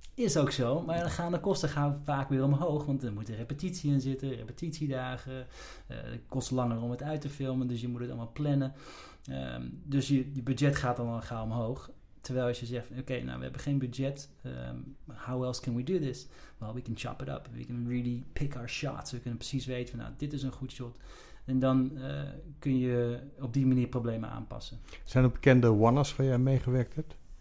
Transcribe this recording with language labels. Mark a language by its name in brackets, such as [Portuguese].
[Dutch] Is ook zo, maar dan gaan de kosten gaan vaak weer omhoog, want er moet een repetitie in zitten, repetitiedagen. Het kost langer om het uit te filmen, dus je moet het allemaal plannen. Dus je budget gaat dan gaan omhoog. Terwijl als je zegt, oké, nou, we hebben geen budget, [English] how else can we do this? Well, we can chop it up, we can really pick our shots. [Dutch] We kunnen precies weten, van, nou, dit is een goed shot. En dan kun je op die manier problemen aanpassen. Zijn er bekende one-offs waar jij meegewerkt hebt?